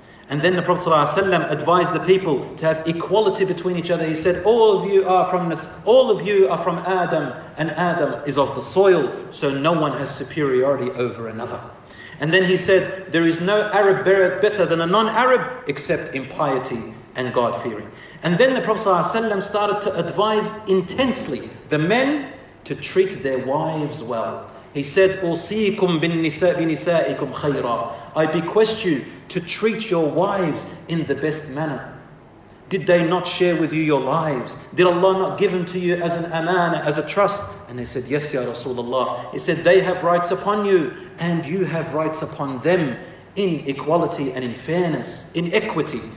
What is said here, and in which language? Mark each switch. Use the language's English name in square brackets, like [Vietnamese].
[English] And then the Prophet ﷺ advised the people to have equality between each other. He said, all of you are from this, all of you are from Adam, and Adam is of the soil, so no one has superiority over another. And then he said, there is no Arab better than a non-Arab except in piety and God-fearing. And then the Prophet ﷺ started to advise intensely the men to treat their wives well. He said, [Arabic] أُوصِيكُمْ بِنِسَائِكُمْ خَيْرًا. [English] I bequest you to treat your wives in the best manner. Did they not share with you your lives? Did Allah not give them to you as an amana, as a trust? And they said, yes, Ya Rasulullah. He said, they have rights upon you, and you have rights upon them in equality and in fairness, in equity.